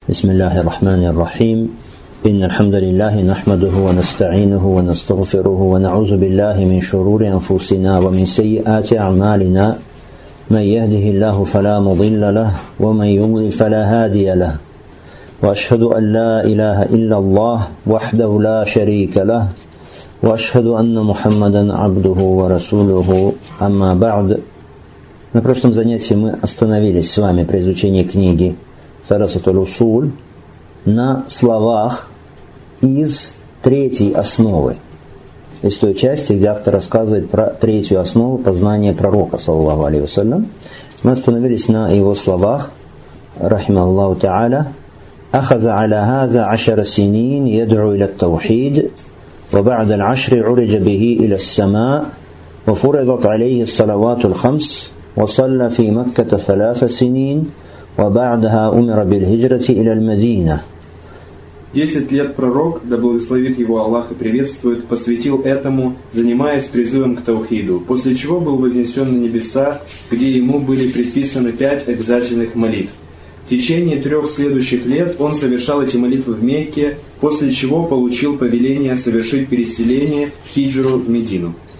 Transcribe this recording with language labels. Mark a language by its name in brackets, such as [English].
[Arabic] بسم الله الرحمن الرحيم إن الحمد لله نحمده ونستعينه ونستغفره ونعوذ بالله من شرور أنفسنا ومن سيئات أعمالنا من يهده الله فلا مضل له ومن يضلل فلا هادي له وأشهد أن لا إله إلا الله وحده لا شريك له وأشهد أن محمدا عبده ورسوله أما بعد [Russian] На прошлом занятии мы остановились с вами при изучении книги Сарасат-уль-Усуль на словах из третьей основы. Из той части, где автор рассказывает про третью основу познания пророка, саллаллаху алейхи ва саллям. Мы остановились на его словах, рахималлаху та'аля, [Arabic] «Ахаза аля хаза ашара синин ядру иля тавхид, ва ба'да л'ашри уриджа бихи иля ссама, ва фуридат алейхи салавату л'хамс, ва салла фи Макката саласа синин». وبعدها أمر بالهجرة إلى المدينة. [Russian] 10 лет пророк, да благословит его Аллах и приветствует, посвятил этому, занимаясь призывом к таухиду, после чего был вознесен на небеса, где ему были предписаны 5 обязательных молитв. В течение 3 следующих лет он совершал эти молитвы в Мекке, после чего получил повеление совершить переселение хиджру в Медину.